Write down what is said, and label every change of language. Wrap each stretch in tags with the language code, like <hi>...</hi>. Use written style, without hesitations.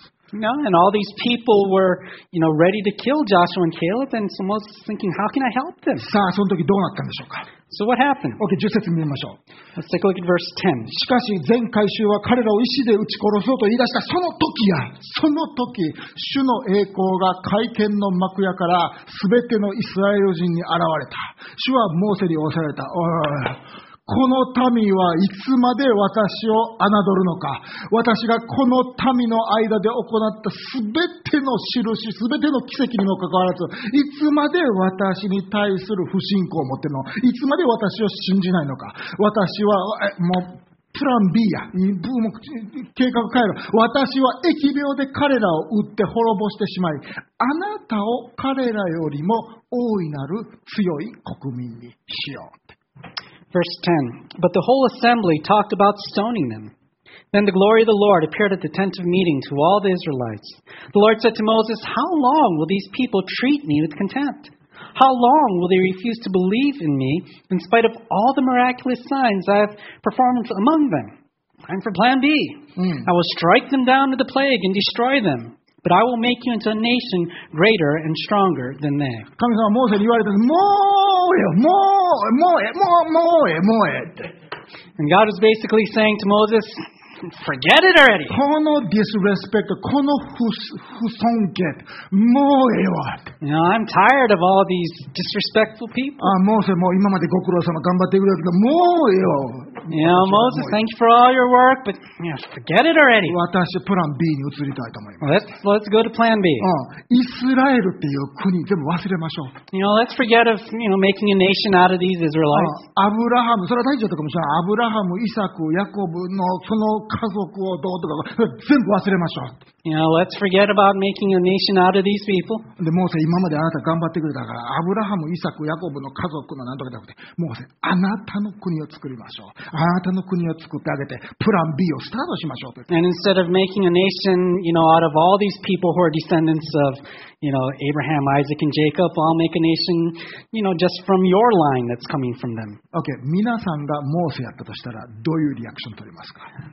<en>No, and all these people were, you know, ready to kill Joshua and Caleb, and so Moses was thinking, how can I help them?</en> <ja>さあ、その時どうなったんでしょうか。</ja> <en>So what happened?</en> <ja>Okay, 10節見ましょう。</ja> <en>Let's take a look at verse 10.</en> <ja>しかし全会衆は彼らを石で撃ち殺そうと言い出したその時や、その時、主の栄光が会見の幕屋からすべてのイスラエル人に現れた。主はモーセに仰せられた。おいおいおい。この民はいつまで私を侮るのか。私がこの民の間で行ったすべての印、すべての奇跡にもかかわらず、いつまで私に対する不信仰を持っているの。いつまで私を信じないのか。私は、もう、プラン B や。もう計画変えろ。私は疫病で彼らを打って滅ぼしてしまい、あなたを彼らよりも大いなる強い国民にしよう。</ja> <en>Verse 10. But the whole assembly talked about stoning them. Then the glory of the Lord appeared at the tent of meeting to all the Israelites. The Lord said to Moses, How long will these people treat me with contempt? How long will they refuse to believe in me in spite of all the miraculous signs I have performed among them? Time for plan B. I will strike them down with the plague and destroy them. But I will make you into a nation greater and stronger than they.</en> <ja>神様はモーセに言われたんです。もうよ、もう、もうえ、もう、もうえ、もうえって。</ja> <en>And God is basically saying to Moses, forget it already.</en> <ja>このディスレスペクト、この不尊敬、もうえわって。</ja> <en>You know, I'm tired of all these disrespectful people.</en> <ja>あ、モーセ、もう今までご苦労様頑張ってくれたけど、もうえよ。</ja> <en>You know, Moses, thank you for all your work, but you know, forget it already.</en> <ja>私はプラン B に移りたいと思います。</ja> <en>Let's go to plan B.</en> <ja>イスラエルっていう国でも忘れましょう。</ja> <en>You know, let's forget of, you know, making a nation out of these Israelites.</en> <ja>アブラハム、それは大丈夫だったかもしれない。アブラハム、イサク、ヤコブのその家族をどうとか、全部忘れましょう。</ja> <en>You know, let's forget about making a nation out of these people.</en> <ja>で、モーセ、今まであなた頑張ってくれたから、アブラハム、イサク、ヤコブの家族のなんとかじゃなくて、モーセ、あなたの国を作りましょう。あなたの国を作ってあげて、プラン B をスタートしましょうと。</ja> <en>And instead of making a nation, you know, out of all these people who are descendants of, you know, Abraham, Isaac, and Jacob, I'll make a nation, you know, just from your line that's coming from them.</en> <ja>Okay, 皆さんがモーセやったとしたら、どういうリアクション取りますか?</ja>